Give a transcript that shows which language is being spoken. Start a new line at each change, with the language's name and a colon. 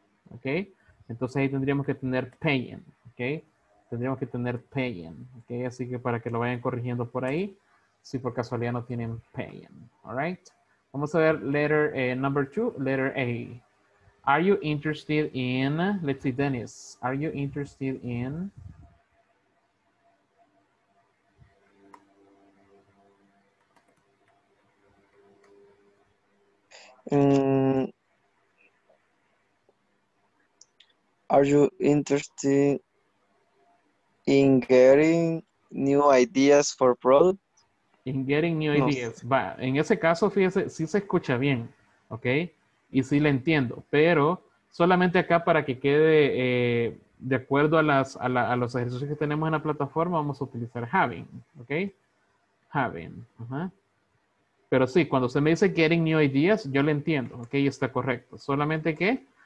Spanish: Okay, entonces ahí tendríamos que tener paying, okay? Tendríamos que tener paying, okay? Así que para que lo vayan corrigiendo por ahí, si por casualidad no tienen paying, all right? Vamos a ver
English: letter number two, letter A. Are you interested in, let's see, Dennis, are you interested in... Are you interested in getting new ideas for product? In getting new ideas.
Spanish: No. But en ese caso, fíjese, sí se escucha bien, ¿ok? Y sí le entiendo, pero solamente acá para que quede de acuerdo a los ejercicios que tenemos en la plataforma, vamos a utilizar having, ¿ok? Having, ajá. Pero sí, cuando se me dice
English: getting new ideas,
Spanish: yo le entiendo, ok, está correcto. Solamente que